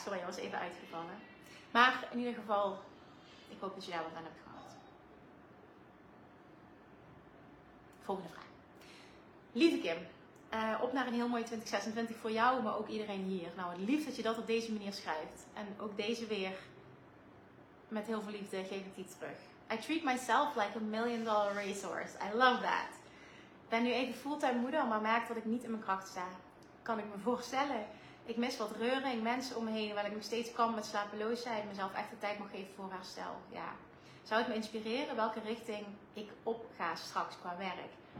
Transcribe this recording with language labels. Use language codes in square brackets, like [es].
[nl] Sorry, jij was even uitgevallen. Maar in ieder geval, ik hoop dat je daar wat aan hebt gehad. Volgende vraag. Lieve Kim, op naar een heel mooi 2026 voor jou, maar ook iedereen hier. Nou, wat lief dat je dat op deze manier schrijft. En ook deze weer, met heel veel liefde, geef ik die terug. [en] I treat myself like a million-dollar racehorse. I love that. [nl] Ben nu even fulltime moeder, maar merk dat ik niet in mijn kracht sta. Kan ik me voorstellen. Ik mis wat reuring, mensen om me heen, waar ik nog steeds kan met slapeloosheid. Mezelf echt de tijd mag geven voor herstel. Ja. Zou het me inspireren welke richting ik op ga straks qua werk?